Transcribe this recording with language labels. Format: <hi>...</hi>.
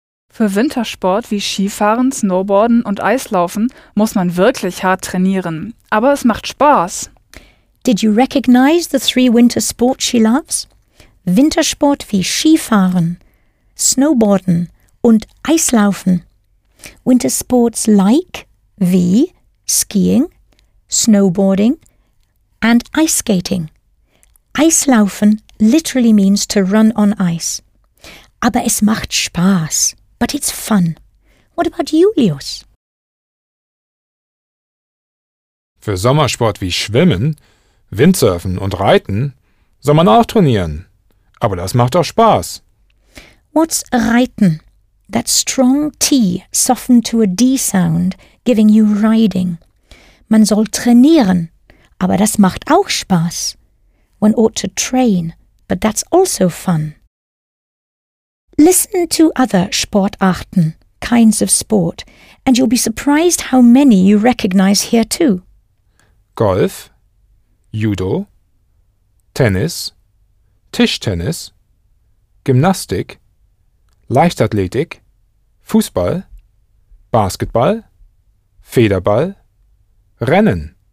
<de>Für Wintersport wie Skifahren, Snowboarden und Eislaufen muss man wirklich hart trainieren. Aber es macht Spaß.</de> <en>Did you recognize the three winter sports she loves?</en> <de>Wintersport wie Skifahren, Snowboarden und Eislaufen.</de> <en>Winter sports like, wie, skiing, snowboarding and ice skating. Eislaufen literally means to run on ice.</en> <de>Aber es macht Spaß.</de> <en>But it's fun. What about Julius?</en> <de>Für Sommersport wie Schwimmen, Windsurfen und Reiten soll man auch trainieren. Aber das macht auch Spaß.</de> <en>What's Reiten? That strong T softened to a D sound, giving you riding.</en> <de>Man soll trainieren, aber das macht auch Spaß.</de> <en>One ought to train, but that's also fun. Listen to other Sportarten, kinds of sport, and you'll be surprised how many you recognize here too.</en> <de>Golf, Judo, Tennis, Tischtennis, Gymnastik, Leichtathletik, Fußball, Basketball, Federball, Rennen.</de>